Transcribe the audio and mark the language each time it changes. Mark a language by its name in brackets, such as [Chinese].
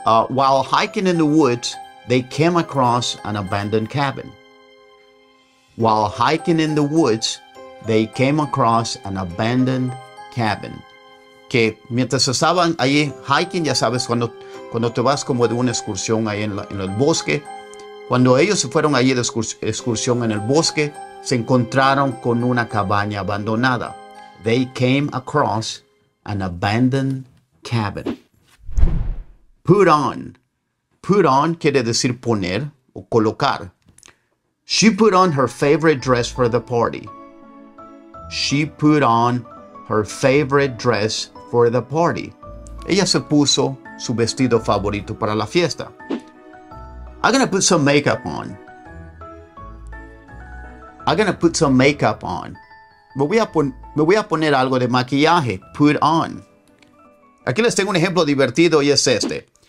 [English] While hiking in the woods, they came across an abandoned cabin. While hiking in the woods, they came across an abandoned cabin. [Spanish] Que mientras estaban ahí hiking, ya sabes, cuando te vas como de una excursión ahí en el bosque, cuando ellos se fueron allí de excursión en el bosque, se encontraron con una cabaña abandonada. [English] They came across an abandoned cabin. Put on. [Spanish] Put on quiere decir poner o colocar. [English] She put on her favorite dress for the party. She put on her favorite dress for the party. [Spanish] Ella se puso su vestido favorito para la fiesta. [English] I'm gonna put some makeup on. I'm gonna put some makeup on. [Spanish] Me voy a poner algo de maquillaje. [English] Put on. [Spanish] Aquí les tengo un ejemplo divertido y es este.